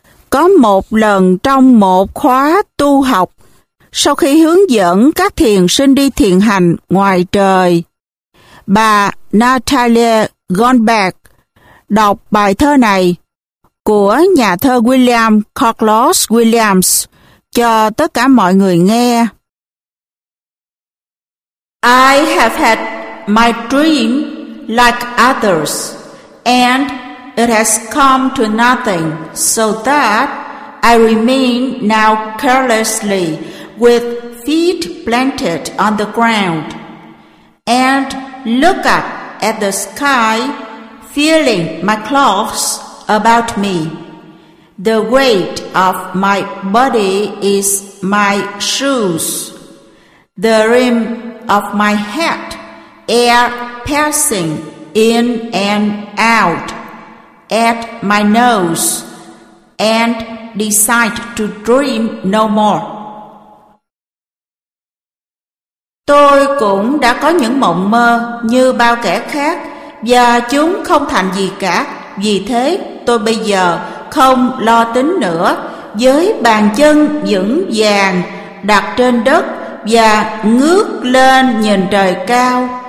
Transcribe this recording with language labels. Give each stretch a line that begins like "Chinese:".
Vietnamese: Có một lần trong một khóa tu học, sau khi hướng dẫn các thiền sinh đi thiền hành ngoài trời, bà Natalia Goldberg đọc bài thơ này của nhà thơ William Carlos Williams cho tất cả mọi người nghe.
English: I have had my dream like others, and it has come to nothing, so that I remain now carelessly with feet planted on the ground, and look up at the sky, feeling my clothes about me. The weight of my body is my shoes. The rim of my hat, air passing in and out at my nose, and decide to dream no more.
Vietnamese: Tôi cũng đã có những mộng mơ như bao kẻ khác, và chúng không thành gì cả. Vì thế, tôi bây giờ không lo tính nữa, với bàn chân vững vàng đặt trên đất và ngước lên nhìn trời cao.